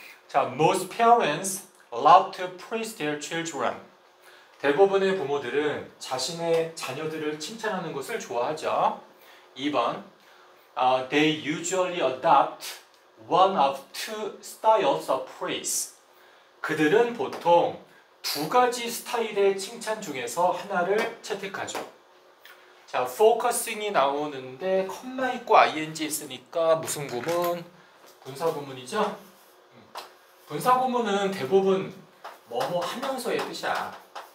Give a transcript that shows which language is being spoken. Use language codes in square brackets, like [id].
[en] 자, most parents love to praise their children. [ko] 대부분의 부모들은 자신의 자녀들을 칭찬하는 것을 좋아하죠. 2번. [en] They usually adopt one of two styles of praise. [ko] 그들은 보통 두 가지 스타일의 칭찬 중에서 하나를 채택하죠. 자, focusing이 나오는데 콤마 있고 ing 있으니까 무슨 구문? 분사 구문이죠? 분사 구문은 대부분 뭐뭐 하면서의 뜻이야.